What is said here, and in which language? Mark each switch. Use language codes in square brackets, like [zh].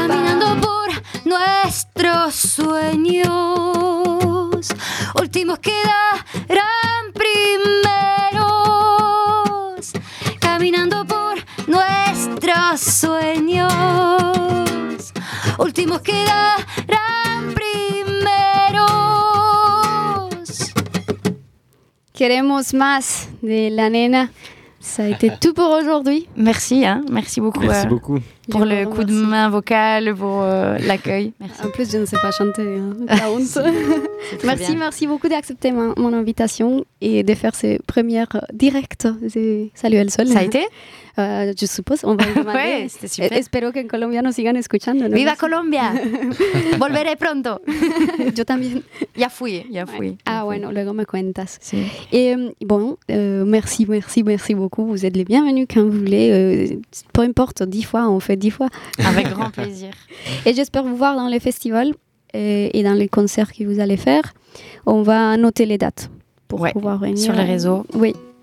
[es] Caminando por nuestros sueños, últimos quedarán primeros. Caminando por nuestros sueños, últimos quedarán primeros. Queremos más de la nena. [fr] Ça a été tout pour aujourd'hui. Merci, hein. Merci beaucoup. Merci beaucoup. pour le coup de main vocal, pour l'accueil. Merci. En plus, je ne sais pas chanter. Hein. Merci, merci beaucoup d'accepter mon invitation et de faire ces premières directes. Salut El Sol. Ça a été Je suppose, on va le demander. Ouais, c'était super. [es] Espero que en Colombia nous sigan escuchando. ¿No? Viva Colombia. Volveré pronto. Yo también. Ya fui. Ya fui. Ouais. Ah, bueno, luego me cuentas. Sí. [fr] Et bon, merci, merci, merci beaucoup. Vous êtes les bienvenus quand vous voulez. Peu importe, 10 fois, on fait 10 fois. Avec grand plaisir. Et j'espère vous voir dans les festivals et dans les concerts que vous allez faire. On va noter les dates pour pouvoir venir. Sur les réseaux. Oui.